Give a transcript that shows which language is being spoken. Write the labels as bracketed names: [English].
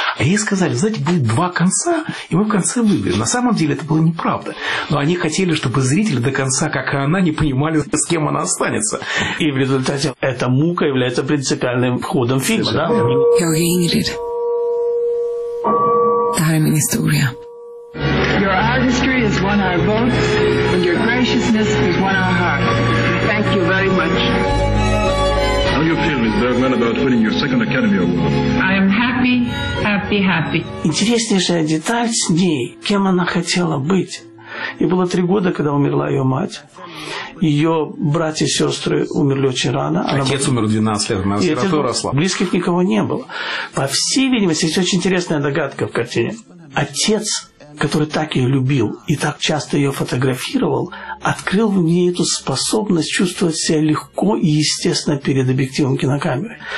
[Russian] А ей сказали: «Знаете, будет два конца, и мы в конце выберем». На самом деле это было неправда. Но они хотели, чтобы зрители до конца, как и она, не понимали, с кем она останется. И в результате эта мука является принципиальным ходом фильма, да? [English] You're Ingrid. Time in Historia. Your artistry has won our votes, and your graciousness has won our hearts. Thank you very much. How do you feel, Miss Bergman, about winning your second Academy Award? I am happy, happy, happy. [Russian] Интереснейшая деталь с ней, кем она хотела быть. И было 3 года, когда умерла ее мать. Ее братья и сестры умерли очень рано. Отец умер 12 лет, она сироту росла. Близких никого не было. По всей видимости, есть очень интересная догадка в картине. Отец, который так ее любил и так часто ее фотографировал, открыл в ней эту способность чувствовать себя легко и естественно перед объективом кинокамеры.